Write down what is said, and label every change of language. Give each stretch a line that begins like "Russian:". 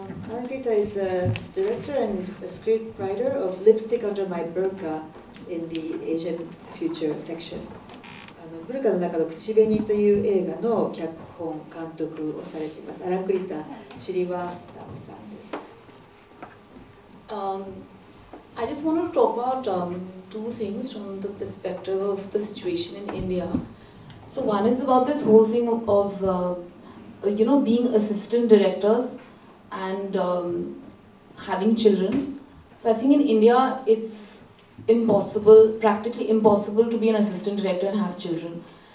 English: Alan Krita is a director and a scriptwriter of Lipstick Under My Burqa in the Asian Future section.
Japanese: ブルカの中の口紅という映画の脚本監督をされています。アラン・クリタ、シュリワースタムさんです。
English: I just want to talk about two things from the perspective of the situation in India. So one is about this whole thing of you know, being assistant directors and having children. So I think in India it's impossible, practically impossible to be an assistant director and have children.